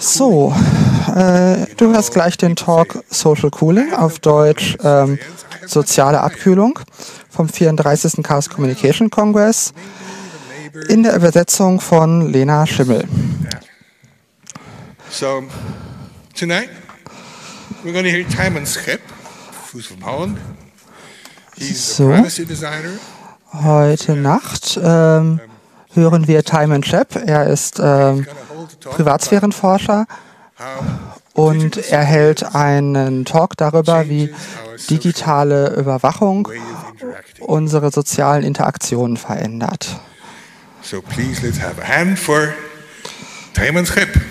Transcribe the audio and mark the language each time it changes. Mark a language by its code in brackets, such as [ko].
[de] So, du hörst gleich den Talk Social Cooling, auf Deutsch soziale Abkühlung, vom 34. Chaos Communication Congress, in der Übersetzung von Lena Schimmel. [en] So, tonight we're going to hear Timon Schip, who's from Holland. He's a privacy designer. [de] Heute Nacht hören wir Timon Schip. Er ist Privatsphärenforscher und er hält einen Talk darüber, wie digitale Überwachung unsere sozialen Interaktionen verändert. [en] So please let's have a hand for Timon Schip.